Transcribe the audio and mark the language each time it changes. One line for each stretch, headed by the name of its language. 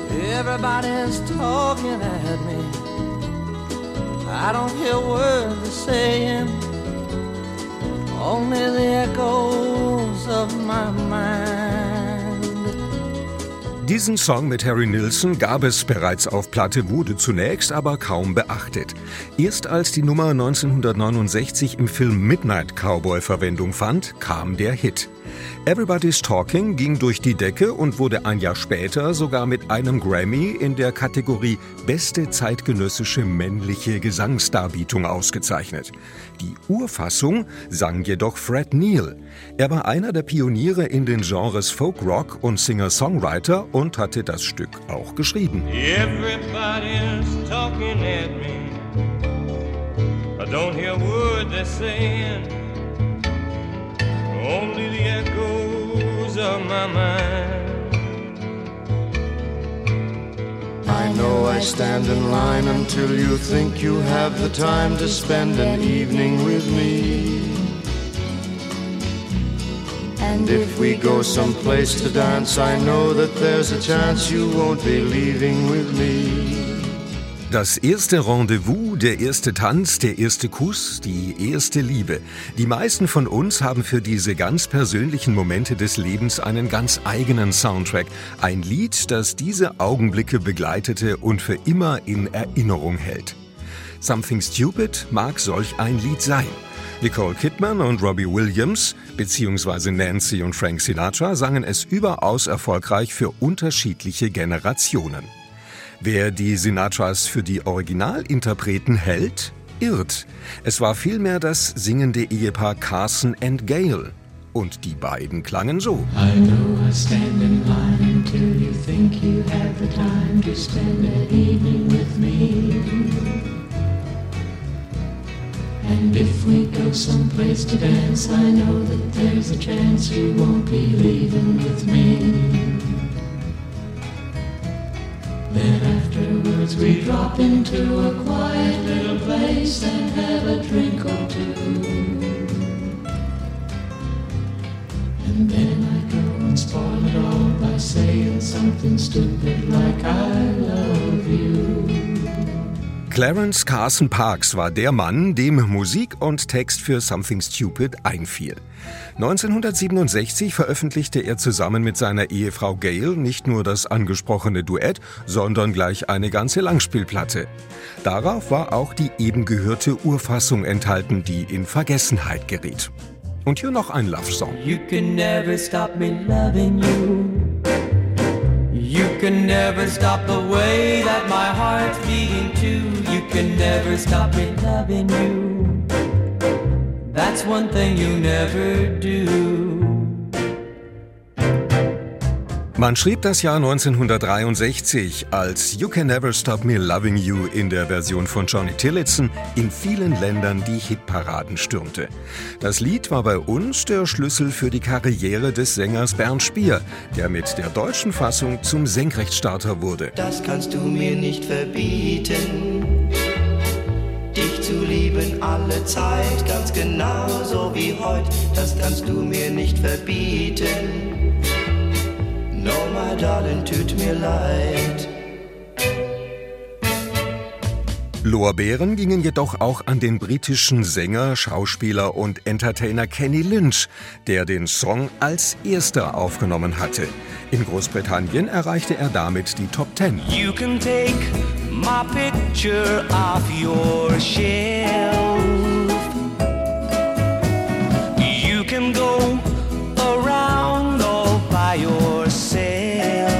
English: Everybody's talking at me. I don't hear words they're saying. Only the echoes of my mind.
German: Diesen Song mit Harry Nilsson gab es bereits auf Platte, wurde zunächst aber kaum beachtet. Erst als die Nummer 1969 im Film Midnight Cowboy Verwendung fand, kam der Hit. Everybody's Talking ging durch die Decke und wurde ein Jahr später sogar mit einem Grammy in der Kategorie Beste zeitgenössische männliche Gesangsdarbietung ausgezeichnet. Die Urfassung sang jedoch Fred Neil. Er war einer der Pioniere in den Genres Folkrock und Singer-Songwriter und hatte das Stück auch geschrieben.
English: Everybody's talking at me. I don't hear what they're saying. Only the echoes of my mind. I know I stand in line until you think you have the time to spend an evening with me. And if we go someplace to dance, I know that there's a chance you won't be leaving with me.
German: Das erste Rendezvous, der erste Tanz, der erste Kuss, die erste Liebe. Die meisten von uns haben für diese ganz persönlichen Momente des Lebens einen ganz eigenen Soundtrack. Ein Lied, das diese Augenblicke begleitete und für immer in Erinnerung hält. Something Stupid mag solch ein Lied sein. Nicole Kidman und Robbie Williams, beziehungsweise Nancy und Frank Sinatra, sangen es überaus erfolgreich für unterschiedliche Generationen. Wer die Sinatras für die Originalinterpreten hält, irrt. Es war vielmehr das singende Ehepaar Carson and Gayle. Und die beiden klangen so.
English: I know I stand in line until you think you have the time to spend an evening with me. And if we go someplace to dance, I know that there's a chance you won't be leaving with me. Then afterwards we drop into a quiet little place and have a drink or two. And then I go and spoil it all by saying something stupid like I love you.
German: Clarence Carson Parks war der Mann, dem Musik und Text für Something Stupid einfiel. 1967 veröffentlichte er zusammen mit seiner Ehefrau Gail nicht nur das angesprochene Duett, sondern gleich eine ganze Langspielplatte. Darauf war auch die eben gehörte Urfassung enthalten, die in Vergessenheit geriet. Und hier noch ein Love-Song.
English: You can never stop me loving you. You can never stop the way that my heart's beating too. You can never stop me loving you. That's one thing you never do.
German: Man schrieb das Jahr 1963, als You Can Never Stop Me Loving You in der Version von Johnny Tillotson in vielen Ländern die Hitparaden stürmte. Das Lied war bei uns der Schlüssel für die Karriere des Sängers Bernd Spier, der mit der deutschen Fassung zum Senkrechtstarter wurde. Das kannst du mir nicht verbieten, dich zu lieben alle Zeit, ganz genauso wie heute. Das kannst du mir nicht verbieten.
English: No, my darling,
German: tut mir leid. Lorbeeren gingen jedoch auch an den britischen Sänger, Schauspieler und Entertainer Kenny Lynch, der den Song als erster aufgenommen hatte. In Großbritannien erreichte er damit die Top Ten.
English: You can take my picture off your shelf. You can go around all by yourself.